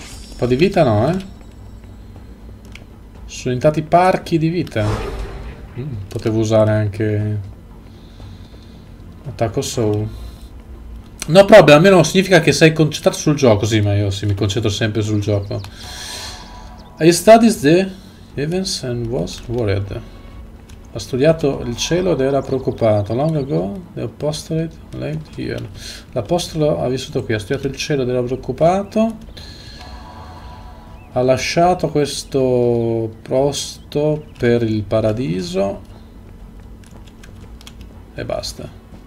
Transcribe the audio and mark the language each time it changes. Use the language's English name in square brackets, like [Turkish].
[Italian] Un po' di vita no, eh? Sono entrati parchi di vita. Potevo usare anche attacco soul. [English] No problem, [Italian] almeno significa che sei concentrato sul gioco. Sì, ma io sì, mi concentro sempre sul gioco. [English] I studied the heavens and was worried. [Italian] Ha studiato il cielo ed era preoccupato. [English] Long ago, the apostolate lived here. [Italian] L'apostolo ha vissuto qui. Ha studiato il cielo ed era preoccupato. Ha lasciato questo posto per il paradiso e basta.